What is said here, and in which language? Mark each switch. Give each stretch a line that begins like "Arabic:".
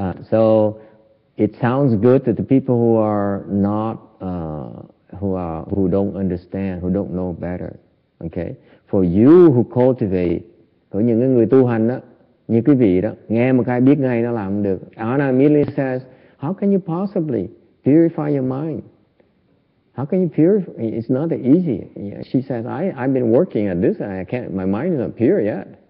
English: So it sounds good to the people who are not who don't understand, who don't know better. Okay, for you who cultivate,
Vietnamese: có những cái người tu hành đó, như quý vị đó, nghe một cái biết ngay nó làm được.
English: Anna immediately says, how can you possibly purify your mind? How can you purify? It's not that easy. Yeah, she says, I've been working at this, and I can't, my mind is not pure yet.